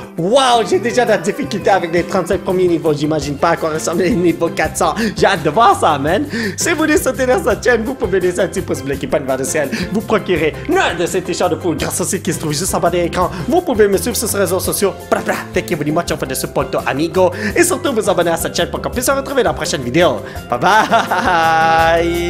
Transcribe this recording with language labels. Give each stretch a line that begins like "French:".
French: Waouh, j'ai déjà de la difficulté avec les 35 premiers niveaux. J'imagine pas à quoi ressemblent les niveaux 400. J'ai hâte de voir ça, man. Si vous voulez soutenir cette chaîne, vous pouvez laisser un petit pouce bleu qui pointe vers le ciel. Vous procurez l'un de ces t-shirts de poule grâce au site qui se trouve juste en bas de l'écran. Vous pouvez me suivre sur les réseaux sociaux. Blablabla.
English: Thank you very much for the support, amigo.
French: Et surtout, vous abonner à cette chaîne pour qu'on puisse se retrouver dans la prochaine vidéo. Bye bye.